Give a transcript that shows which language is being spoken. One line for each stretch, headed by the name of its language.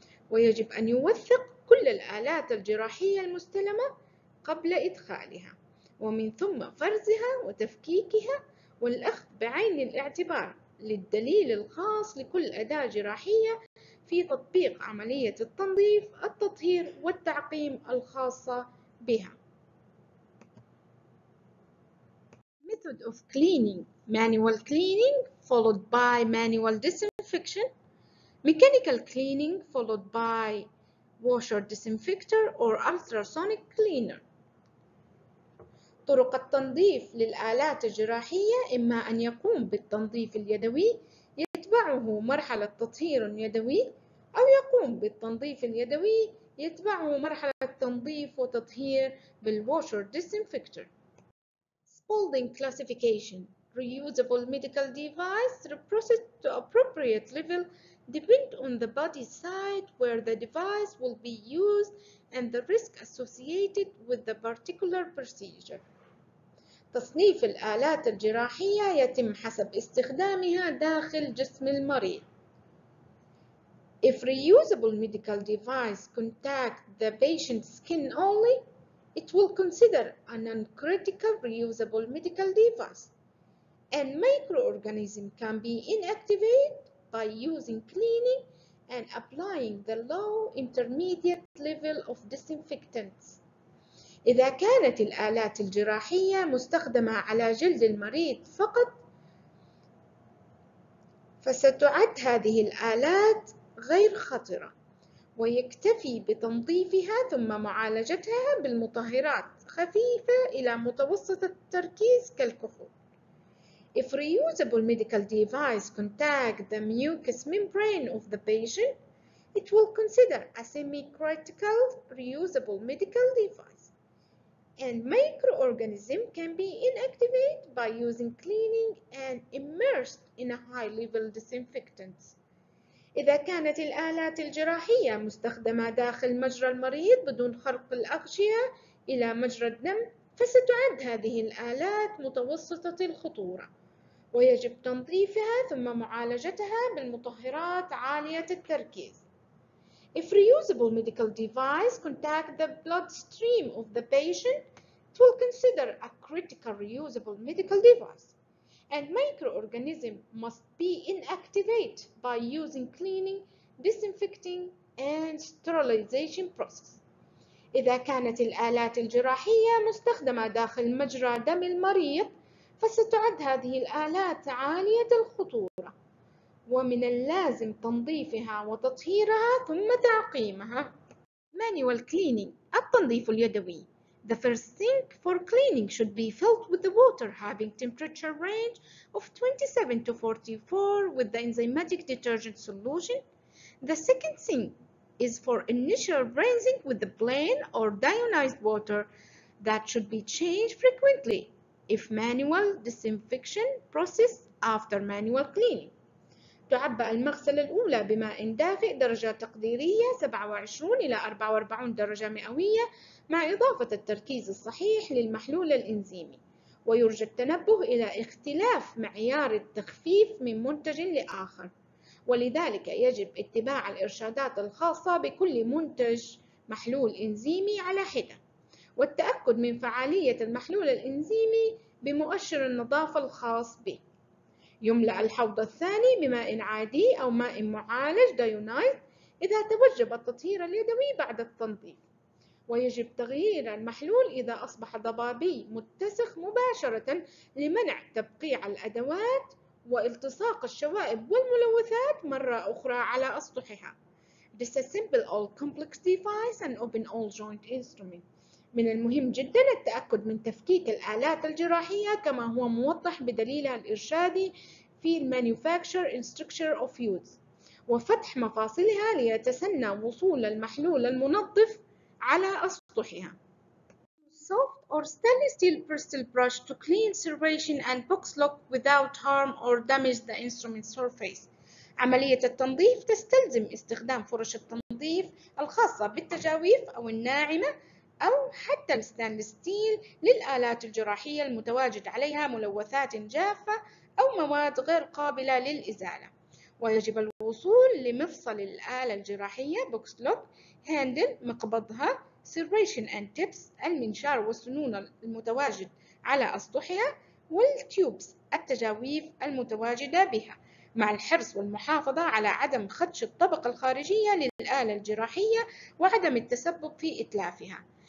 Arabic: ويجب أن يوثق كل الآلات الجراحية المستلمة قبل إدخالها ومن ثم فرزها وتفكيكها، والأخذ بعين الاعتبار للدليل الخاص لكل أداة جراحية في تطبيق عملية التنظيف، التطهير والتعقيم الخاصة بها.
English: Method of cleaning: manual cleaning followed by manual disinfection. Mechanical cleaning followed by washer disinfector or ultrasonic cleaner.
Arabic: طرق التنظيف للآلات الجراحية: إما أن يقوم بالتنظيف اليدوي يتبعه مرحلة تطهير يدوي، أو يقوم بالتنظيف اليدوي يتبعه مرحلة تنظيف وتطهير بال
English: washer disinfector. Spalding classification: reusable medical device reprocessed to appropriate level depend on the body site where the device will be used and the risk associated with the particular procedure.
Arabic: تصنيف الآلات الجراحية يتم حسب استخدامها داخل جسم المريض.
English: If reusable medical device contact the patient's skin only, it will consider a non-critical reusable medical device. And microorganism can be inactivated by using cleaning and applying the low intermediate level of disinfectants.
Arabic: إذا كانت الآلات الجراحية مستخدمة على جلد المريض فقط، فستعد هذه الآلات غير خطرة، ويكتفي بتنظيفها ثم معالجتها بالمطهرات خفيفة إلى متوسطة التركيز كالكحول.
English: If reusable medical device contact the mucous membrane of the patient, it will consider a semi-critical reusable medical device. And microorganism can be inactivated by using cleaning and immersed in a high-level disinfectants.
Arabic: إذا كانت الآلات الجراحية مستخدمة داخل مجرى المريض بدون خرق الأغشية إلى مجرى الدم، فستعد هذه الآلات متوسطة الخطورة، ويجب تنظيفها ثم معالجتها بالمطهرات عالية التركيز.
English: If reusable medical device contact the bloodstream of the patient, it will consider a critical reusable medical device. And microorganism must be inactivated by using cleaning, disinfecting, and sterilization process.
Arabic: إذا كانت الآلات الجراحية مستخدمة داخل مجرى دم المريض، فستعد هذه الآلات عالية الخطورة، ومن اللازم تنظيفها وتطهيرها ثم تعقيمها.
English: Manual cleaning
Arabic: التنظيف اليدوي.
English: The first sink for cleaning should be filled with the water having temperature range of 27 to 44 with the enzymatic detergent solution. The second sink is for initial rinsing with the plain or deionized water that should be changed frequently if manual disinfection process after manual cleaning.
Arabic: تعبأ المغسلة الأولى بماء دافئ درجة تقديرية 27 إلى 44 درجة مئوية مع إضافة التركيز الصحيح للمحلول الإنزيمي، ويرجى التنبه إلى اختلاف معيار التخفيف من منتج لآخر، ولذلك يجب اتباع الإرشادات الخاصة بكل منتج محلول إنزيمي على حدة، والتأكد من فعالية المحلول الإنزيمي بمؤشر النظافة الخاص به. يملأ الحوض الثاني بماء عادي أو ماء معالج دايونايت إذا توجب التطهير اليدوي بعد التنظيف، ويجب تغيير المحلول إذا أصبح ضبابي متسخ مباشرة لمنع تبقيع الأدوات والتصاق الشوائب والملوثات مرة أخرى على أسطحها.
English: This is simple all complex device and open all joint instrument.
Arabic: من المهم جدا التأكد من تفكيك الآلات الجراحية كما هو موضح بدليلها الإرشادي في
English: Manufacture Instruction of Use،
Arabic: وفتح مفاصلها ليتسنى وصول المحلول المنظف على أسطحها.
English: Soft or stainless steel bristle brush to clean serration and box lock without harm or damage the instrument surface.
Arabic: عملية التنظيف تستلزم استخدام فرش التنظيف الخاصة بالتجاويف أو الناعمة أو حتى الستانلس ستيل للآلات الجراحية المتواجد عليها ملوثات جافة أو مواد غير قابلة للإزالة، ويجب الوصول لمفصل الآلة الجراحية
English: box lock handle
Arabic: مقبضها
English: serration and tips
Arabic: المنشار والسنون المتواجد على أسطحها والتيوبس التجاويف المتواجدة بها، مع الحرص والمحافظة على عدم خدش الطبقة الخارجية للآلة الجراحية وعدم التسبب في إتلافها.